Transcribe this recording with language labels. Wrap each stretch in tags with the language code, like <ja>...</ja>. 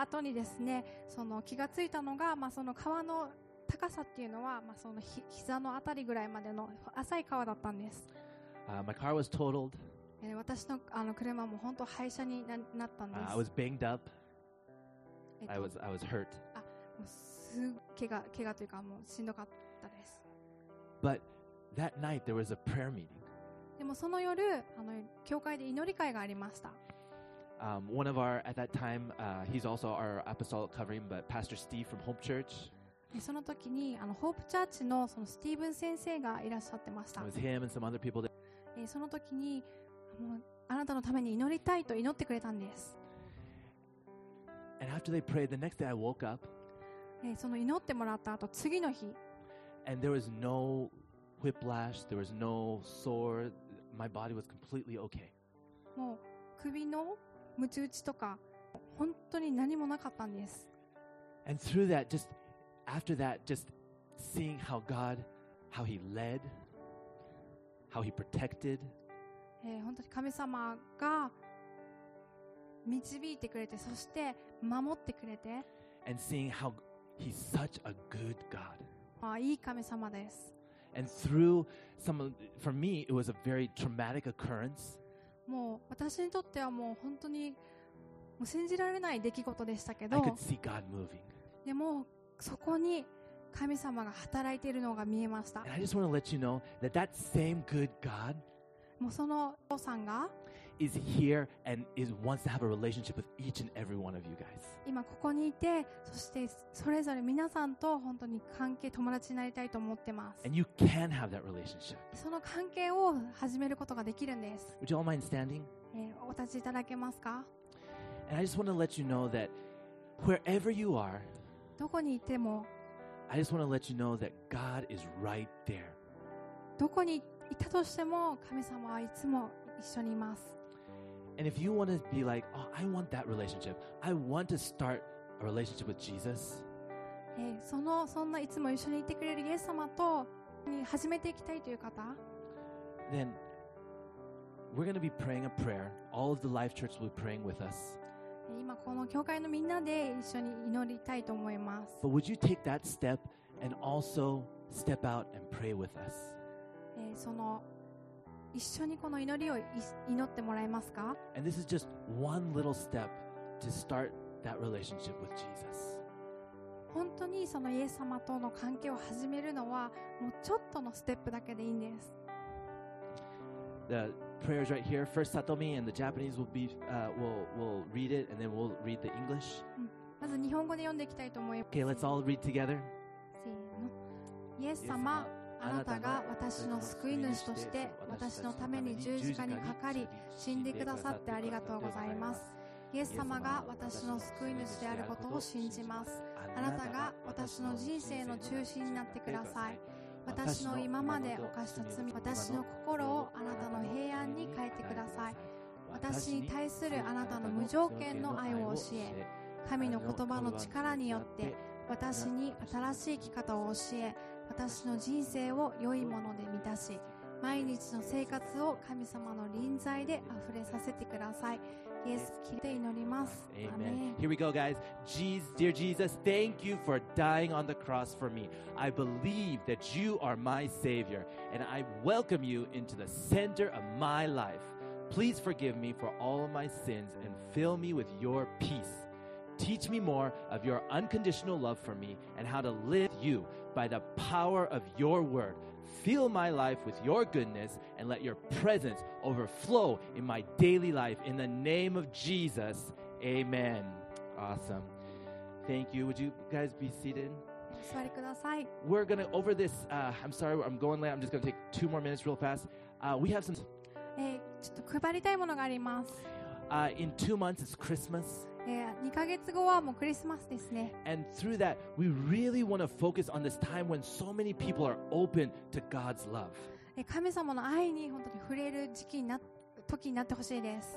<ja>後にですね、その気がついたのが、まあ、その川の高さっていうのは、まあ、その膝のあたりぐらいまでの浅い川だったんです。</ja> <en>My car was totaled.</en> <ja>私の、あの車も本当廃車になったんです。</ja> <en>I was banged up. I was hurt.</en> <ja>あ、もうすぐ怪我というかもうしんどかったです。</ja> <en>ButThat night there was a prayer meeting.</en> <ja>でもその夜、あの教会で祈り会がありました。</ja> <en>One of our at that time, he's also our apostolic covering, but Pastor Steve from Hope Church.</en> <ja>その時にあのホープチャーチのそのスティーブン先生がいらっしゃってました。</ja> <en>It was him and some other people.</en> <ja>その時にもうあなたのために祈りたいと祈ってくれたんです。</ja> <en>And after they prayed, the next day I woke up.</en> <ja>その祈ってもらった後次の日。</ja> <en>And there was no. Whiplash. There was no sore. My body was completely okay.</en> <ja>もう首のムチ打ちとか本当に何もなかったんです。</ja> <en>And through that, just after that, just seeing how God, how He led, how He protected.</en> <ja>本当に神様が導いてくれて、そして守ってくれて。</ja> <en>And seeing how He's such a good God.</en> <ja>あ、いい神様です。</ja> <en>And through some, for me, it was a very traumatic occurrence.</en> <ja>もう私にとってはもう本当にもう信じられない出来事でしたけど。</ja> <en>I could see God moving.</en> <ja>でもそこに神様が働いているのが見えました。</ja> <en>And I just want to let you know that that same good God,</en> <ja>もうそのお父さんが</ja> <en>is here and is wants to have a relationship with each and every one of you guys.</en> <ja>今ここにいて、そしてそれぞれ皆さんと本当に関係、友達になりたいと思ってます。</ja> <en>And you can have that relationship.</en> <ja>その関係を始めることができるんです。</ja> <en>Would you all mind standing?</en> <ja>お立ちいただけますか?</ja> <en>And I just want to let you know that wherever you are,</en> <ja>どこにいても</ja> <en>I just want to let you know that God is right there.</en> <ja>どこにいたとしても神様はいつも一緒にいます。</ja> <en>And if you want to be like, oh, I want that relationship. I want to start a relationship with Jesus.</en> <ja>そんないつも一緒にいてくれるイエス様とに始めていきたいという方。</ja> <en>Then we're going to be praying a prayer. All of the Life Church will be praying with us.</en> <ja>今この教会のみんなで一緒に祈りたいと思います。</ja> <en>But would you take that step and also step out and pray with us?</en> <ja>その一緒にこの祈りを祈ってもらえますか?</ja> <en>And this is just one little step to start that relationship with Jesus.</en> <ja>本当にそのイエス様との関係を始めるのはもうちょっとのステップだけでいいんです。</ja> <en>The prayer is right here. First Satomi and the Japanese will be, will read it and then we'll read the English.</en> <ja>まず日本語で読んでいきたいと思います。</ja> <en>Okay, let's all read together.</en> <ja>せーの。イエス様。あなたが私の救い主として私のために十字架にかかり死んでくださってありがとうございます。イエス様が私の救い主であることを信じます。あなたが私の人生の中心になってください。私の今まで犯した罪、私の心をあなたの平安に変えてください。私に対するあなたの無条件の愛を教え、神の言葉の力によって私に新しい生き方を教え、私の人生を良いもので満たし、毎日の生活を神様の臨在で溢れさせてください。イエス、聞いて祈ります。アメン。</ja> <en>Here we go, guys. Jesus, dear Jesus, thank you for dying on the cross for me. I believe that you are my Savior, and I welcome you into the center of my life. Please forgive me for all of my sins and fill me with your peace. Teach me more of your unconditional love for me and how to live you by the power of your word. Fill my life with your goodness and let your presence overflow in my daily life. In the name of Jesus, amen. Awesome. Thank you. Would you guys be seated?</en> <ja>お座りください。</ja> <en>We're going to, over this, I'm sorry, I'm going late. I'm just going to take two more minutes real fast. We have some.</en> <ja>ちょっと配りたいものがあります。</ja> <en>In 2 months it's Christmas.</en> <ja>2ヶ月後はもうクリスマスですね。</ja> <en>And through that, we really want to focus on this time when so many people are open to God's love.</en> <ja>神様の愛に本当に触れる時期になって時になってほしいです。</ja>